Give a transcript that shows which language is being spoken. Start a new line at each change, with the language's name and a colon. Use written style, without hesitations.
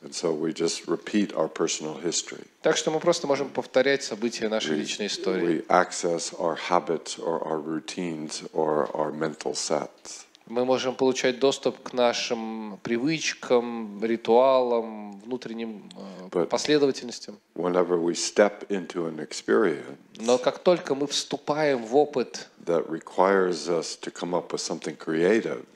English: And so we just repeat our personal history.
Russian: Так что мы просто можем повторять события нашей личной истории.
English: We access our habits or our routines or our mental sets.
Russian: Мы можем получать доступ к нашим привычкам, ритуалам, внутренним последовательностям.
English: Whenever we step into an experience,
Russian: но как только мы вступаем в опыт,
English: that requires us to come up with something creative,